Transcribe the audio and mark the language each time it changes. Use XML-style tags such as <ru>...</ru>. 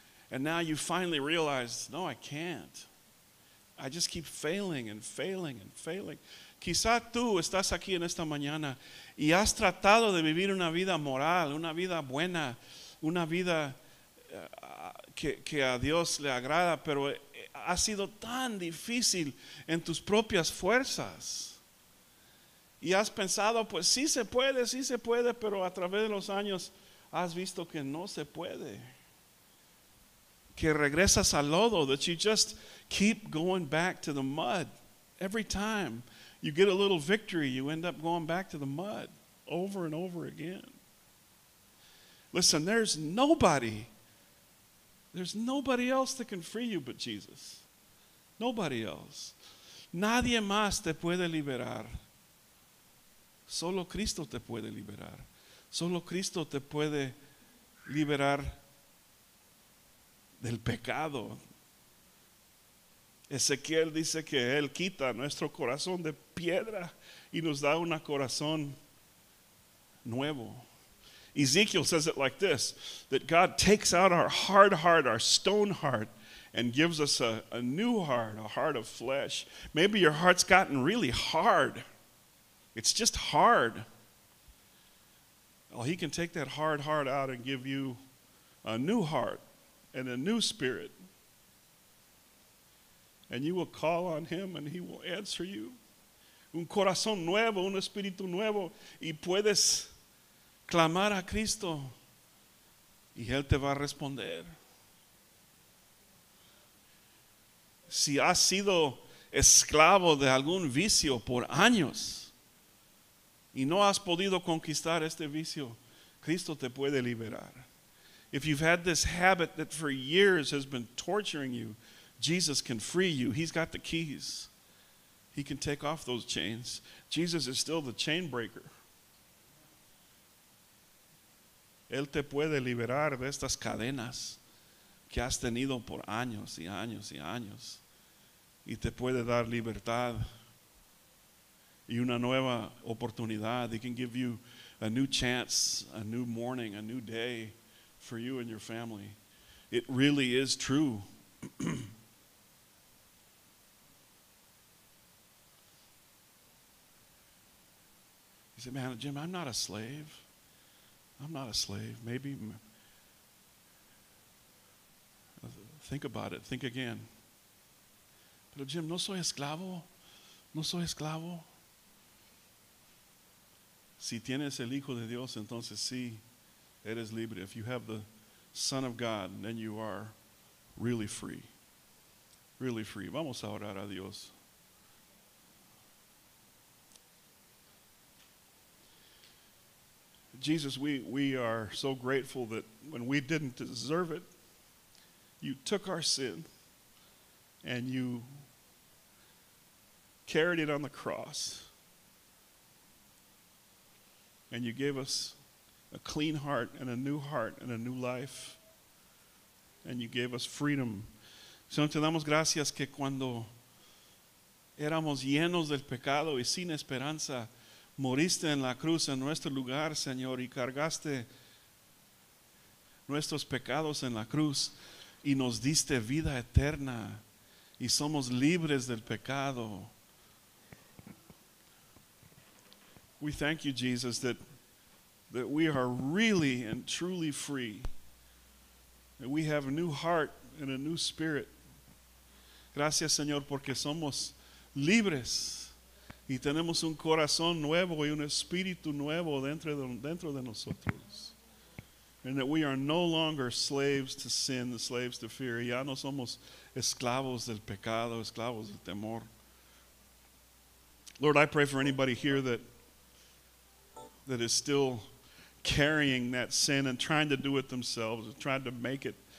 <en>And now you finally realize, no, I can't. I just keep failing and failing and failing.</en> <es>Quizá tú estás aquí en esta mañana y has tratado de vivir una vida moral, una vida buena, una vida que a Dios le agrada, pero ha sido tan difícil en tus propias fuerzas. Y has pensado, pues sí se puede, pero a través de los años has visto que no se puede. Que regresas al lodo,</es> <en>that you just keep going back to the mud. Every time you get a little victory, you end up going back to the mud over and over again. Listen, there's nobody else that can free you but Jesus. Nobody else.</en> <es>Nadie más te puede liberar. Solo Cristo te puede liberar. Solo Cristo te puede liberar del pecado. Ezequiel dice que Él quita nuestro corazón de piedra y nos da un corazón nuevo.</es> <en>Ezekiel says it like this, that God takes out our hard heart, our stone heart, and gives us a new heart, a heart of flesh. Maybe your heart's gotten really hard. It's just hard. Well, He can take that hard heart out and give you a new heart and a new spirit. And you will call on Him and He will answer you.</en> <es>Un corazón nuevo, un espíritu nuevo, y puedes clamar a Cristo y Él te va a responder. Si has sido esclavo de algún vicio por años y no has podido conquistar este vicio, Cristo te puede liberar.</es> <en>If you've had this habit that for years has been torturing you, Jesus can free you. He's got the keys. He can take off those chains. Jesus is still the chain breaker.</en> <es>Él te puede liberar de estas cadenas que has tenido por años y años y años. Y te puede dar libertad y una nueva oportunidad.</es> <en>He can give you a new chance, a new morning, a new day for you and your family. It really is true. He said, man, Jim, I'm not a slave. I'm not a slave. Maybe. Think about it. Think again.</en> <es>Pero Jim, no soy esclavo. No soy esclavo. Si tienes el Hijo de Dios, entonces sí, eres libre.</es> <en>If you have the Son of God, then you are really free. Really free.</en> <es>Vamos a orar a Dios.</es> <en>Jesus, we are so grateful that when we didn't deserve it, You took our sin and you carried it on the cross. And you gave us a clean heart and a new heart and a new life. And you gave us freedom.</en> <es>Señor, te damos gracias que cuando éramos llenos del pecado y sin esperanza, moriste en la cruz en nuestro lugar, Señor, y cargaste nuestros pecados en la cruz y nos diste vida eterna y somos libres del pecado.</es> <en>We thank you, Jesus, that we are really and truly free. That we have a new heart and a new spirit.</en> <es>Gracias, Señor, porque somos libres y tenemos un corazón nuevo y un espíritu nuevo dentro de nosotros.</es> <en>And that we are no longer slaves to sin, slaves to fear.</en> <es>Ya no somos esclavos del pecado, esclavos del temor.</es> <en>Lord, I pray for anybody here that is still carrying that sin and trying to do it themselves, trying to make it.</en>